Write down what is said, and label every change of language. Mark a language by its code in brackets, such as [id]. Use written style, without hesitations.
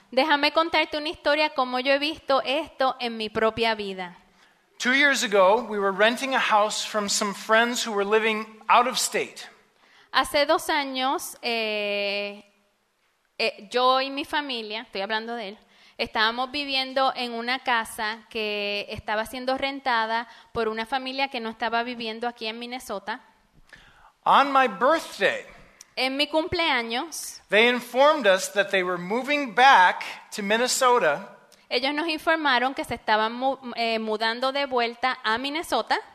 [es] Déjame contarte una historia como yo he visto esto en mi propia vida. [en] 2 years ago, we were renting a house from some friends who were living out of state. [es] Hace 2 años, yo y mi familia, estoy hablando de él, estábamos viviendo en una casa que estaba siendo rentada por una familia que no estaba viviendo aquí en Minnesota. [en] On my birthday, [es] en mi cumpleaños, [en] they informed us that they were moving back to Minnesota. [es] Ellos nos informaron que se estaban mudando de vuelta a Minnesota.